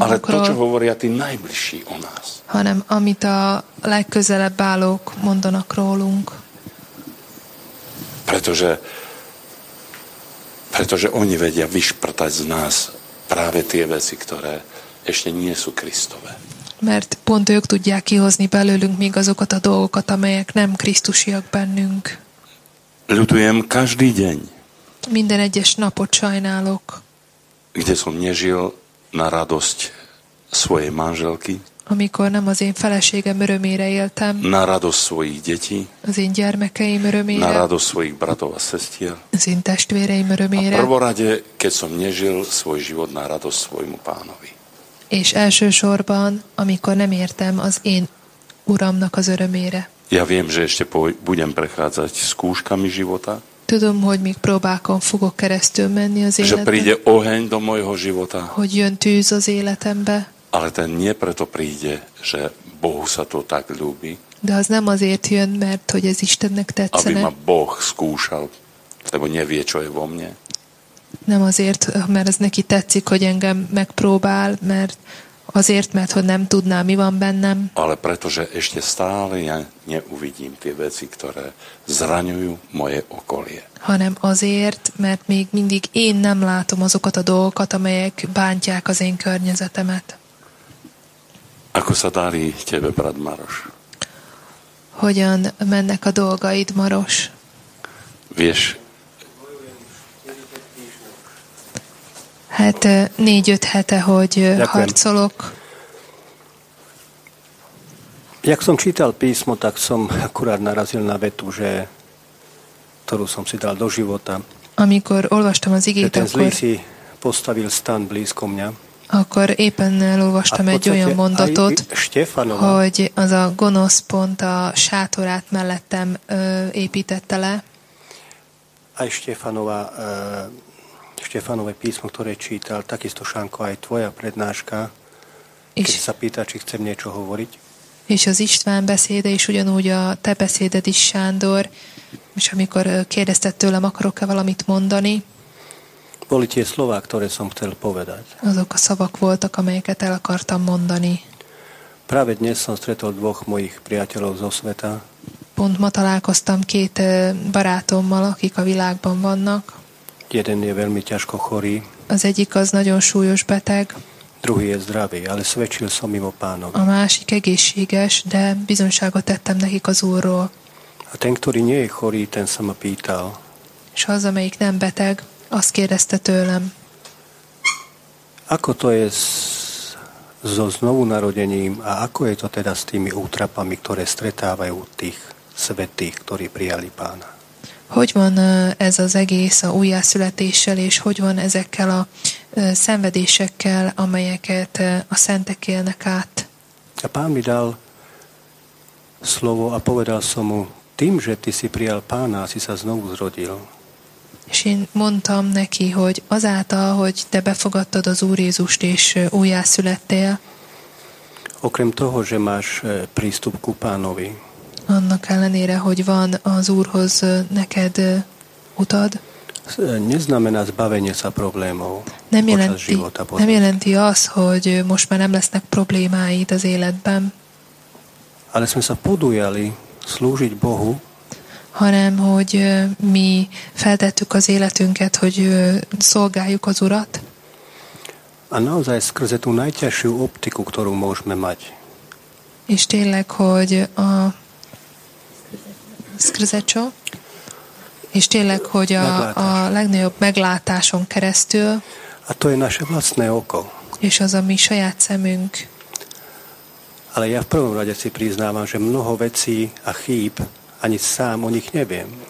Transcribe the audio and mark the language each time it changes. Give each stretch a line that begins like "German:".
Slovak: Ale to, čo hovoria tí najbližší o nás.
Hungarian: Hanem amit a legközelebb állók mondanak rólunk.
Slovak: Pretože oni vedia vyšprtať z nás práve tie veci, ktoré ešte nie sú Krisztové.
Hungarian: Mert pont ők tudják kihozni belőlünk még azokat a dolgokat, amelyek nem krisztusiak bennünk.
Slovak: Ľutujem každý deň.
Hungarian: Minden egyes napot sajnálok.
Slovak: Kde som nežil na radosť svojej manželky.
Hungarian: Amikor nem az én feleségem örömére éltem.
Slovak: Na radosť svojich detí.
Hungarian: Az én gyermekeim örömére.
Slovak: Na radosť svojich bratov a sestier.
Hungarian: Az én testvéreim örömére.
Slovak: A prvorade, keď som nežil svoj život na radosť svojmu pánovi.
Hungarian: És elsősorban, amikor nem értem az én uramnak az örömére.
Slovak: Ja viem, že ešte budem prechádzať skúškami života.
Hungarian: Tudom, hogy még próbákon fogok keresztül menni az életben.
Slovak: Že príde oheň do mojho života.
Hungarian: Hogy jön tűz az életembe.
Slovak: Ale ten nie preto príde, že Bohu sa to tak ľúbi.
Hungarian: De az nem azért jön, mert hogy ez Istennek tetszene.
Slovak: Aby ma Boh skúšal, lebo nevie, čo je vo mne.
Hungarian: Nem azért, mert ez neki tetszik, hogy engem megpróbál, mert Azért, mert hogy nem tudná, mi van bennem.
Slovak: Ale pretože ešte stále ja neuvidím tie veci, ktoré zraňujú moje okolie.
Hungarian: Hanem azért, mert még mindig én nem látom azokat a dolgokat, amelyek bántják az én környezetemet.
Slovak: Ako sa darí tebe, brat Maroš?
Hungarian: Hogyan mennek a dolgaid, Maroš?
Slovak: Vieš?
Hungarian: Hát 4-5 hete, hogy harcolok.
Slovak: Jak som čítal písmo, tak som akurát narazil na vetu, že ktorú som si dal do života.
Hungarian: Amikor olvastam az igét,
Slovak: ten zlý si postavil stan blízko mňa.
Hungarian: Akkor éppen elolvastam egy olyan mondatot, hogy az a gonosz pont a sátorát mellettem építette le.
Slovak: A Štefanova, Štefanové písmo, ktoré čítal, takisto Šanko, aj tvoja prednáška, keď sa pýta, či chcem niečo hovoriť.
Hungarian: És az István beszéde is ugyanúgy a te beszéded is, Sándor, és amikor kérdezted tőlem, akarok-e valamit mondani?
Slovak: Boli tie slová, ktoré som chcel povedať.
Hungarian: Azok a szavak voltak, amelyeket el akartam mondani.
Slovak: Práve dnes som stretol dvoch mojich priateľov zo sveta.
Hungarian: Pont ma találkoztam két barátommal, akik a világban vannak.
Slovak: Jeden je veľmi ťažko chorý.
Hungarian: Az egyik az nagyon súlyos beteg.
Slovak: Druhý je zdravý, ale svedčil som im o Pánovi.
Hungarian: A másik egészséges, de bizonyságot tettem nekik az Úrról.
Slovak: A ten, ktorý nie je chorý, ten sa ma pýtal.
Hungarian: És az, amelyik nem beteg, azt kérdezte tőlem.
Slovak: Ako to je so znovunarodením a ako je to teda s tými útrapami, ktoré stretávajú tých svätých, ktorí prijali Pána?
Hungarian: Hogy van ez az egész a újjászületéssel, és hogy van ezekkel a szenvedésekkel, amelyeket a szentek élnek át?
Slovak: A Pán mi dal slovo a povedal som mu, tým, že ty si prijal Pána, si sa znovu zrodil.
Hungarian: És én mondtam neki, hogy azáltal, hogy te befogadtad az Úr Jézust, és újjászülettél.
Slovak: Okrem toho, že máš prístup ku Pánovi,
Hungarian: annak ellenére, hogy van az Úrhoz neked utad.
Slovak: Neznamená zbavenie sa problémov.
Hungarian: Nem jelenti, nem jelenti az, hogy most már nem lesznek problémáid az életben.
Slovak: Ale sme sa podujali slúžiť Bohu.
Hungarian: Hanem, hogy mi feltettük az életünket, hogy szolgáljuk az Urat.
Slovak: A naozaj skrze tú najťažšiu optiku, ktorú môžeme mať.
Hungarian: És tényleg, hogy a skrzecsó. És tényleg, hogy a legnagyobb meglátáson keresztül.
Slovak: A to je naše vlastné oko.
Hungarian: És az a mi saját szemünk.
Slovak: Ale ja v prvom rade si priznávam, že mnoho vecí a chýb ani sám o nich neviem.